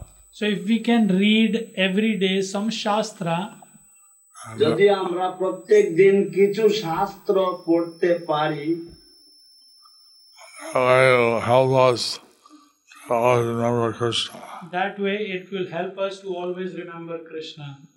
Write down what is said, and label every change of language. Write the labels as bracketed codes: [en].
[en] So if we can read every day some shastra, [bn] যদি আমরা প্রত্যেক দিন কিছু শাস্ত্র পড়তে পারি, [en] help us to always remember Krishna. That way it will help us to always remember Krishna.